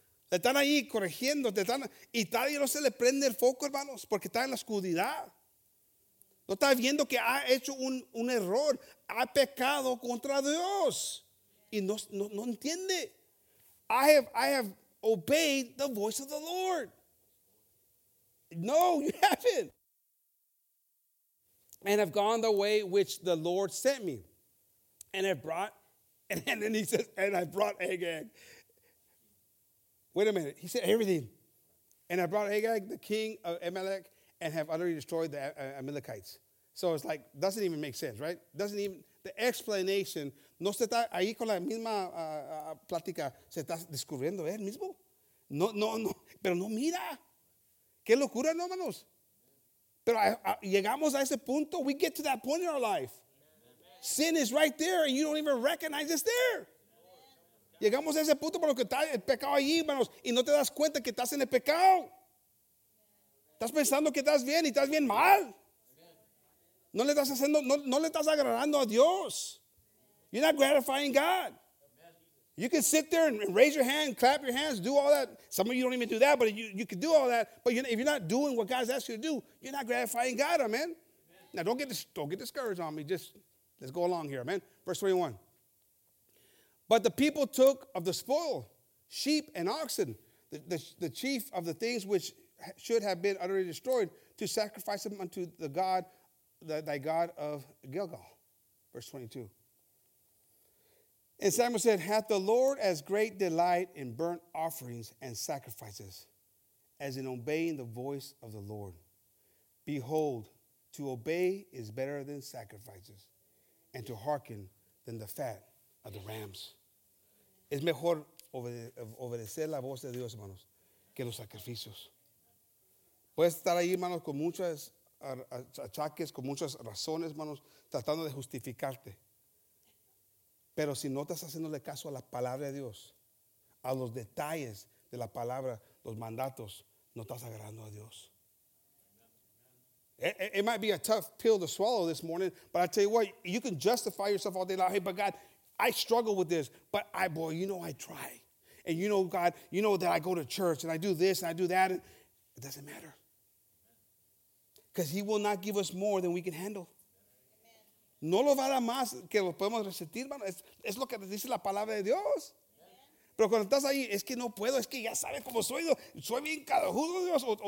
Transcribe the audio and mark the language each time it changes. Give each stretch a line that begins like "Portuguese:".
Spanish: Le están ahí corrigiendo, te están, y todavía no se le prende el foco, hermanos, porque está en la oscuridad. No está viendo que ha hecho un error, ha pecado contra Dios y no entiende.
English: I have obeyed the voice of the Lord. No, you haven't. And have gone the way which the Lord sent me. And have brought, and then he says, and I brought Agag. Wait a minute. He said everything. And I brought Agag, the king of Amalek, and have utterly destroyed the Amalekites. So it's like, doesn't even make sense, right? Doesn't even, the explanation,
Spanish: no se está ahí con la misma plática, se está descubriendo él mismo. No, pero no mira. Qué locura, no, hermanos. Pero llegamos a ese punto.
English: We get to that point in our life. Amen. Sin is right there, and you don't even recognize it's there. Amen.
Spanish: Llegamos a ese punto por lo que está el pecado allí, hermanos, y no te das cuenta que estás en el pecado. Estás pensando que estás bien y estás bien mal. No le estás haciendo, no le estás agradando a Dios.
English: You're not gratifying God. You can sit there and raise your hand, clap your hands, do all that. Some of you don't even do that, but you can do all that. But if you're not doing what God's asked you to do, you're not gratifying God, amen? Amen. Now, don't get discouraged on me. Just let's go along here, amen? Verse 21. But the people took of the spoil, sheep and oxen, the chief of the things which should have been utterly destroyed, to sacrifice them unto the God, thy God of Gilgal. Verse 22. And Samuel said, hath the Lord as great delight in burnt offerings and sacrifices as in obeying the voice of the Lord? Behold, to obey is better than sacrifices, and to hearken than the fat of the rams.
Spanish: Es mejor obedecer la voz de Dios, hermanos, que los sacrificios. Puedes estar ahí, hermanos, con muchos achaques, con muchas razones, hermanos, tratando de justificarte. Pero si no estás haciéndole caso a la palabra de Dios, a los detalles de la palabra, los mandatos, no estás agradando a Dios.
English: It might be a tough pill to swallow this morning, but I tell you what, you can justify yourself all day long. Hey, but God, I struggle with this, but I try. And you know, God, you know that I go to church and I do this and I do that. And it doesn't matter. Because he will not give us more than we can handle.
Spanish: No lo va a dar más que lo podemos resistir, hermano. Es lo que dice la palabra de Dios. Amen. Pero cuando estás ahí, es que no puedo, es que ya sabes cómo soy. Soy bien cadujudo, Dios.